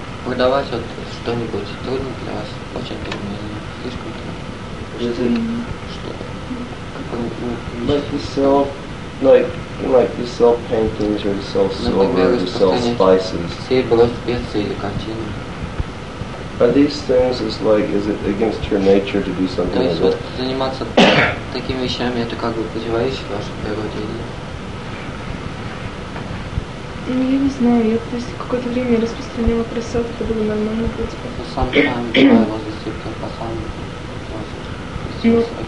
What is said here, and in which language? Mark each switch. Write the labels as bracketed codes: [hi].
[ru] Продавать вот что-нибудь трудно для вас, очень трудно, слишком трудно. [en] Like you sell paintings or you sell silver, you sell spices. [ru] Серебро, специи или картины. [en] Are these things is it against your nature to do something like that? [ru] То есть заниматься такими вещами это как бы противоречит вашей природе? Ну, я не знаю, я просто какое-то время распространяла прессов, это было нормально, типа. Ну, сам там, давай, возрасте, как по самому.